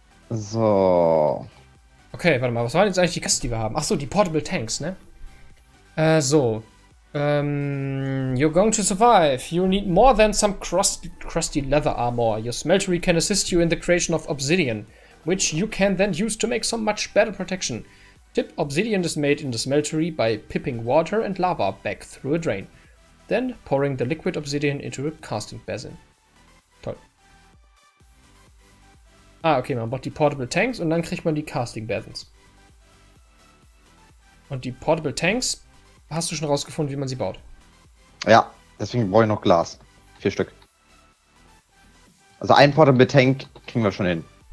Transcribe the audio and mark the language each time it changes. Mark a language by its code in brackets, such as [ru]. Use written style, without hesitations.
[de] So. Okay, warte mal, was waren jetzt eigentlich die Kisten, die wir haben? Achso, die Portable Tanks, ne? [en] You're going to survive. You'll need more than some crusty leather armor. Your smeltery can assist you in the creation of obsidian, which you can then use to make some much better protection. Tip, obsidian is made in the smeltery by pipping water and lava back through a drain, then pouring the liquid obsidian into a casting basin. [de] Ah, okay, man braucht die Portable Tanks und dann kriegt man die Casting Basins. Und die Portable Tanks, hast du schon rausgefunden, wie man sie baut? Ja, deswegen brauche ich noch Glas. 4 Stück. Also ein Portable Tank kriegen wir schon hin.